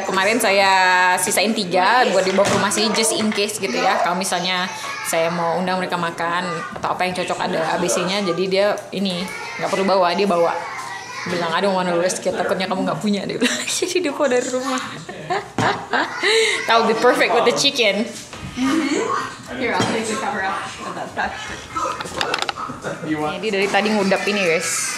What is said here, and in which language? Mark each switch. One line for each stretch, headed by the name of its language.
Indonesian: Kemarin saya sisain 3 buat dibawa ke rumah sih
English: just in case
Indonesian: gitu ya. Kalau misalnya saya mau undang mereka makan atau apa yang cocok ada ABC-nya, jadi dia ini nggak perlu bawa, dia bawa. Bilang,
English: I don't wanna risk it,
Indonesian: takutnya kamu gak punya. Dia bilang, jadi dia bawa dari rumah.
English: That would be perfect with the chicken. Here, I'll take the camera off.
Indonesian: Jadi dari tadi ngudap ini guys.